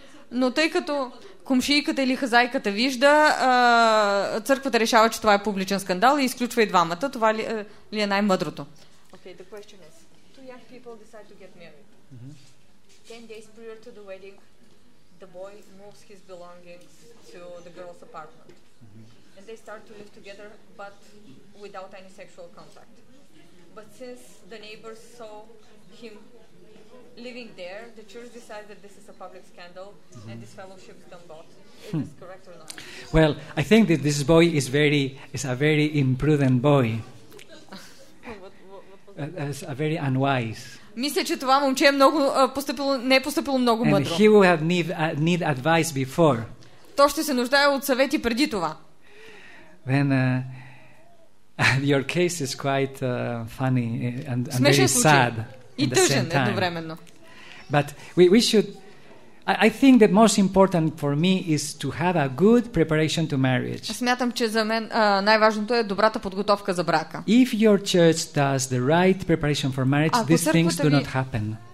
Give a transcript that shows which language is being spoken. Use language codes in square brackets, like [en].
[bg] Но тъй като комшийката или хазайката вижда, църквата решава, че това е публичен скандал и изключва и двамата. Това ли е най-мъдрото? [en] Okay, the question is, two young people decide to get married. Mm-hmm. 10 days prior to the wedding, the boy moves his belongings to the girl's apartment. Mm-hmm. And they start to live together, but without any sexual contact. But since the neighbors saw him living there, the church decides that this is a public scandal, mm-hmm. and this fellowship is done bought. Is this correct or not? Well, I think that this boy is a very imprudent boy. what a very unwise. [bg] Мисля, че това момче е много поступило, не е поступило много мъдро. [en] And he will have need advice before. [bg] То ще се нуждае от съвети преди това. [en] Then, your case is quite funny and very Sad. [bg] И тъжен едновременно. [en] But we should. I think that most important for me is to have a good preparation to marriage. [bg] Смятам, че за мен най-важното е добрата подготовка за брака. [en] If your church does the right preparation for marriage, these things do not happen.